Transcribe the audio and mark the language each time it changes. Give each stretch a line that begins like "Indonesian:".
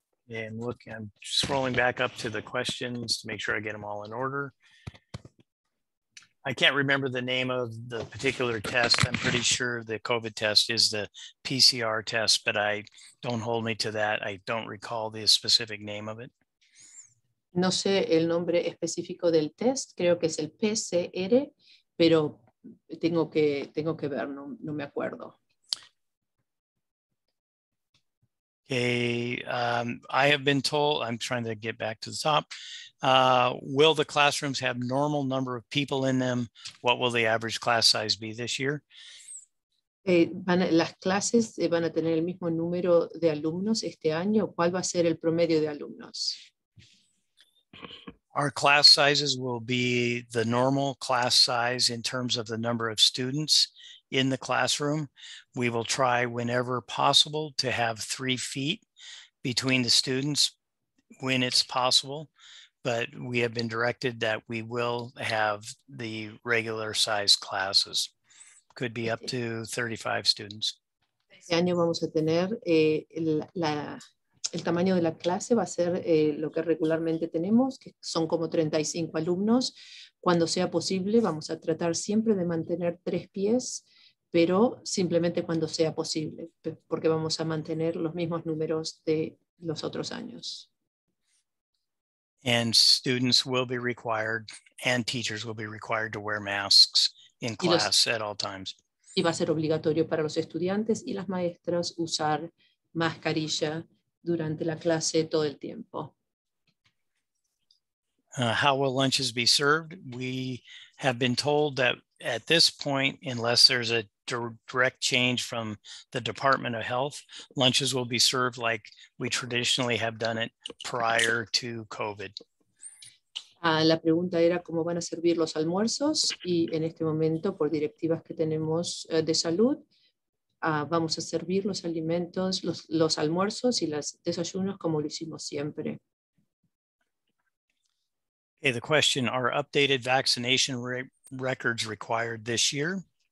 English: And look, I'm scrolling back up to the questions to make sure I get them all in order. I can't remember the name of the particular test. I'm pretty sure the COVID test is the PCR test, but I don't hold me to that. I don't recall the specific name of it.
Spanish: No sé el nombre específico del test. Creo que es el PCR, pero tengo que ver. No me acuerdo.
English: Okay, I have been told, I'm trying to get back to the top. Will the classrooms have normal number of people in them? What will the average class size be this year?
Spanish: Las clases van a tener el mismo número de alumnos este año. ¿Cuál va a ser el promedio de alumnos?
English: Our class sizes will be the normal class size in terms of the number of students in the classroom. We will try whenever possible to have 3 feet between the students when it's possible, but we have been directed that we will have the regular size classes. Could be up to 35 students.
Spanish: Este año vamos a tener el tamaño de la clase va a ser lo que regularmente tenemos, que son como 35 alumnos. Cuando sea posible, vamos a tratar siempre de mantener 3 pies, pero simplemente cuando sea posible, porque vamos a mantener los mismos números de los otros años.
English: And students will be required, and teachers will be required to wear masks in class at all times.
Spanish: Y va a ser obligatorio para los estudiantes y las maestras usar mascarilla durante la clase todo el tiempo.
English: How will lunches be served? We have been told that at this point, unless there's a direct change from the Department of Health, lunches will be served like we traditionally have done it prior to COVID.
Spanish: La pregunta era cómo van a servir los almuerzos, y en este momento, por directivas que tenemos de salud, vamos a servir los alimentos, los almuerzos y los desayunos como lo hicimos siempre.
English: Okay, the question, are updated vaccination records required this year?